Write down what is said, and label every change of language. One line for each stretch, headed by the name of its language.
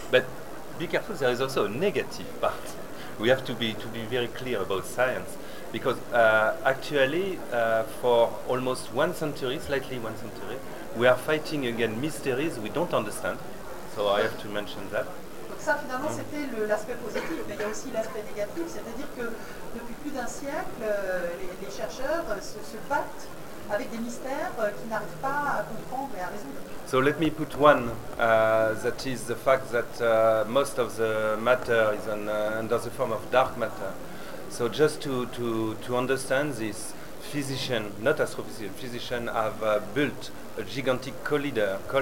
English: But be careful, there is also a negative part. We have to be very clear about science, because actually, for almost one century, slightly one century, we are fighting against mysteries we don't understand. So I have to mention that.
French: Donc ça, finalement, c'était l'aspect positif, mais il y a aussi l'aspect négatif, c'est-à-dire que depuis plus d'un siècle, les chercheurs se battent avec des mystères qu'ils n'arrivent pas à comprendre et à résoudre.
English: So let me put one, that is the fact that most of the matter is under the form of dark matter. So just to understand this, physician, not astrophysician, physician have built a gigantic collider.